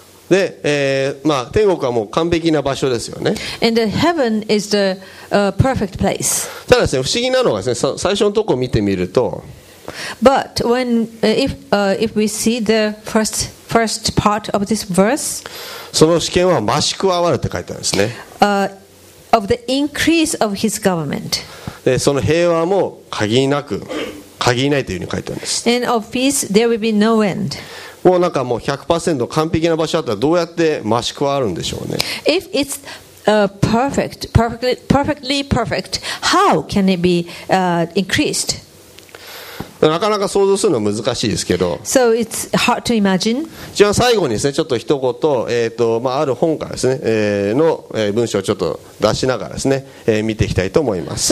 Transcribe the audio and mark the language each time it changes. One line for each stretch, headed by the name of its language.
Japanese: で、まあ、天国はもう完璧な場所ですよね。
English: And heaven is the perfect place.
Japanese: ただですね、不思議なのがですね、最初のところを見てみると、
English: But when if we see the first part of this verse,
Japanese: その主権は増し加わるって書いてあるんですね。
English: Of the increase of his government.
Japanese: で、その平和も限りないというふうに書いてあるんです。
English: And of peace there will be no end.
Japanese: もうなんかもう 100% 完璧な場所だったらどうやって増し加わるんでしょうね。
English: If it's perfect, perfectly perfect, how can it be increased?
Japanese: なかなか想像するのは難しいですけど。
English: So it's hard to imagine.
Japanese: じゃあ最後にですね、ちょっと一言、まあ、ある本からですね、の文章をちょっと出しながらですね、見ていきたいと思います。